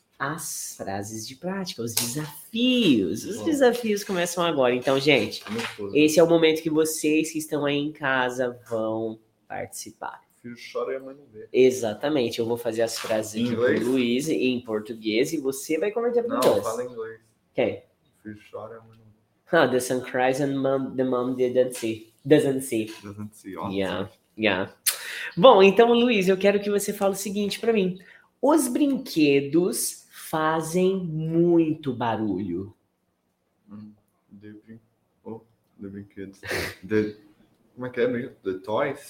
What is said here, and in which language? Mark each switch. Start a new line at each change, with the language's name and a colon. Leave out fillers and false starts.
Portuguese: As frases de prática, os desafios. Os desafios começam agora. Então, gente, esse é o momento que vocês que estão aí em casa vão participar. Filho chora e a mãe não vê. Exatamente. Eu vou fazer as frases em inglês? Do Luiz em português e você vai converter para inglês. Não, fala inglês. Quem? Filho chora e a mãe não vê.
English: Oh, the sun cries and the mom didn't see. Doesn't see. Doesn't see. Awesome. Yeah, yeah.
Portuguese: Bom, então, Luiz, eu quero que você fale o seguinte para mim. Os brinquedos fazem muito barulho. The brinquedos. Como é que é?
English: The toys?